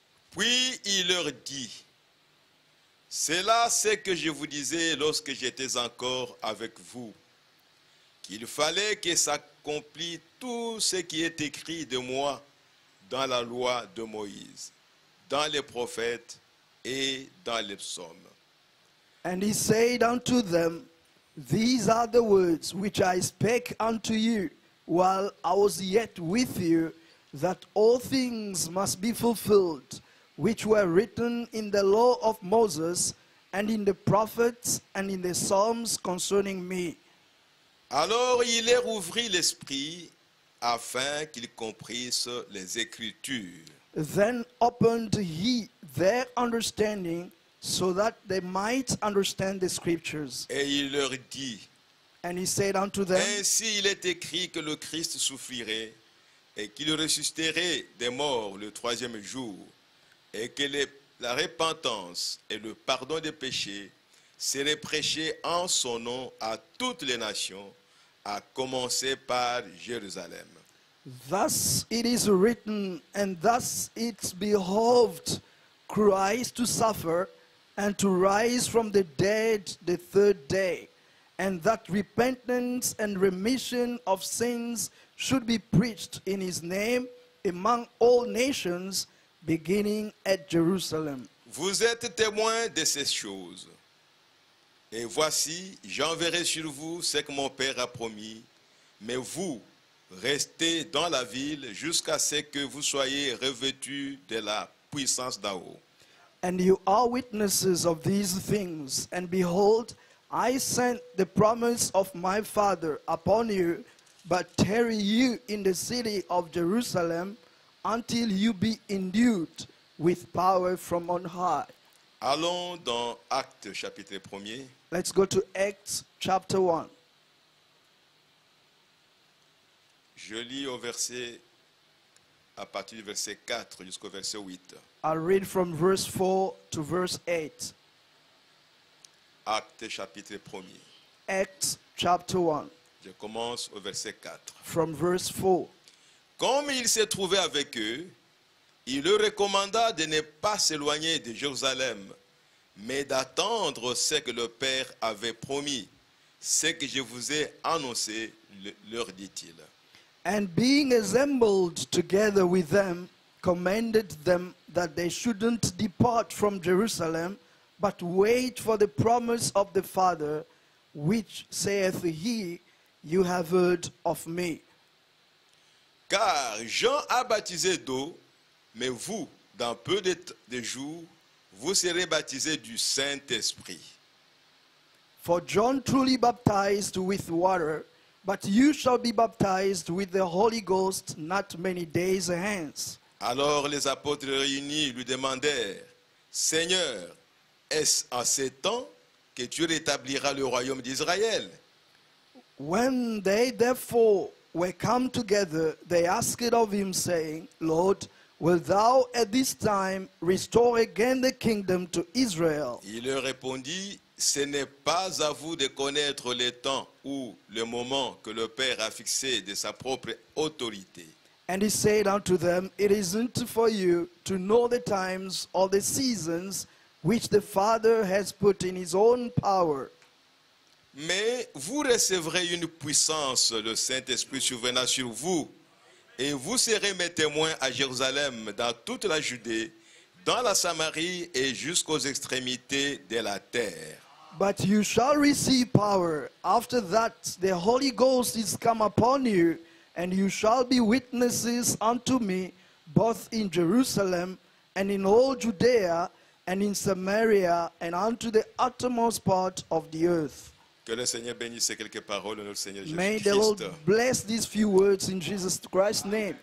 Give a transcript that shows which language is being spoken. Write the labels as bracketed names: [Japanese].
[French] Puis il leur dit, c'est là ce que je vous disais lorsque j'étais encore avec vous, qu'il fallait que s'accomplisse tout ce qui est écrit de moi dans la loi de Moïse, dans les prophètes et dans les psaumes. [English] And he said unto them, these are the words which I spake unto you while I was yet with you, that all things must be fulfilled, which were written in the law of Moses, and in the prophets, and in the psalms concerning me. [French] Alors il leur ouvrit l'esprit, afin qu'ils comprissent les Écritures. [English] Then opened he their understanding, so that they might understand the Scriptures. [French] Et il leur dit, [English] and he said unto them, [French] ainsi il est écrit que le Christ souffrirait, et qu'il ressusciterait des morts le troisième jour, et que la repentance et le pardon des péchés seraient prêchés en son nom à toutes les nations, à commencer par Jérusalem. [English] Thus it is written, and thus it behoved Christ to suffer, and to rise from the dead the third day, and that repentance and remission of sins should be preached in his name among all nations, beginning at Jerusalem. [French] Vous êtes témoins de ces choses. Et voici, j'enverrai sur vous ce que mon Père a promis. Mais vous, restez dans la ville jusqu'à ce que vous soyez revêtus de la puissance d'en haut. [English] And you are witnesses of these things. And behold, I sent the promise of my Father upon you, but tarry you in the city of Jerusalem, until you be endued with power from on high. [French] Allons dans Actes chapitre 1. [English] Let's go to Acts chapter 1. [French] Je lis au verset, à partir du verset 4 jusqu'au verset 8. [English] I'll read from verse 4 to verse 8. [French] Actes chapitre 1. [English] Acts chapter 1. [French] Je commence au verset 4. [English] From verse 4. [French] Comme il se trouvait avec eux, il leur recommanda de ne pas s'éloigner de Jérusalem, mais d'attendre ce que le Père avait promis, ce que je vous ai annoncé, leur dit-il. [English] And being assembled together with them, commanded them that they shouldn't depart from Jerusalem, but wait for the promise of the Father, which saith he, you have heard of me. [French] Car Jean a baptisé d'eau, mais vous, dans peu de jours, vous serez baptisés du Saint-Esprit. [English] For John truly baptized with water, but you shall be baptized with the Holy Ghost not many days hence. [French] Alors les apôtres réunis lui demandèrent, Seigneur, est-ce en ces temps que tu rétabliras le royaume d'Israël? [English] When they therefore were come together, they asked of him, saying, Lord, wilt thou at this time restore again the kingdom to Israel? [French] Il leur répondit, ce n'est pas à vous de connaître le temps ou le moment que le Père a fixé de sa propre autorité. [English] And he said unto them, it isn't for you to know the times or the seasons which the Father has put in his own power. [French] Mais vous recevrez une puissance, le Saint-Esprit survenant sur vous, et vous serez mes témoins à Jérusalem, dans toute la Judée, dans la Samarie et jusqu'aux extrémités de la terre. [English] But you shall receive power after that the Holy Ghost is come upon you, and you shall be witnesses unto me, both in Jerusalem and in all Judea and in Samaria and unto the uttermost part of the earth. [French] Que le Seigneur bénisse ces quelques paroles de notre Seigneur Jésus [English] Christ. May the Lord bless these few words in Jesus Christ's name.